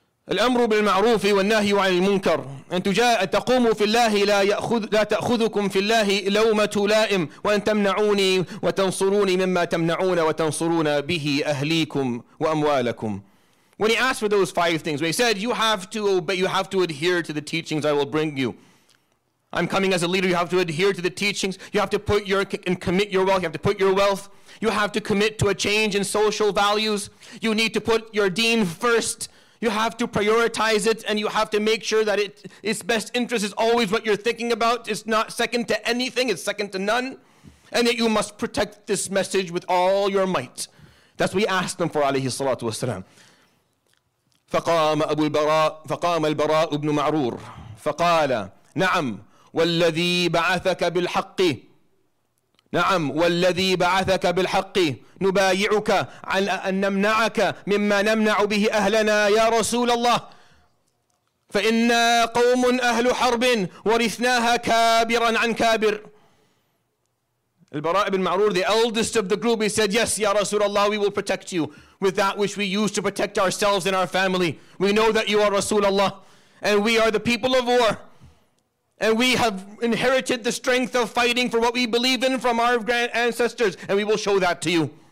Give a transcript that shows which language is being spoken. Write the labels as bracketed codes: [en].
[ar] الأمر بالمعروف والنهي عن المنكر أن تقوم في الله لا تأخذكم في الله لومة لائم وأن تمنعوني وتنصروني مما تمنعون وتنصرون به أهليكم وأموالكم. [en] When he asked for those five things, he said, "You have to obey, you have to adhere to the teachings I will bring you. I'm coming as a leader. You have to adhere to the teachings. You have to put your and commit your wealth. You have to put your wealth. You have to commit to a change in social values. You need to put your deen first. You have to prioritize it, and you have to make sure that its best interest is always what you're thinking about. It's not second to anything, it's second to none. And that you must protect this message with all your might." That's what he asked them for, [ar] alayhi salatu wasalam. فقام البراء بن معرور فقال نعم والذي بعثك بالحق نعم والذي بعثك بالحق نبايعك على أن نمنعك مما نمنع به أهلنا يا رسول الله. فإنا قوم أهل حرب ورثناها كابرا عن كابر. [en] البراء بن معرور, the eldest of the group, he said, yes, Ya Rasulullah, we will protect you with that which we use to protect ourselves and our family. We know that you are Rasulullah and we are the people of war. And we have inherited the strength of fighting for what we believe in from our grand ancestors, and we will show that to you.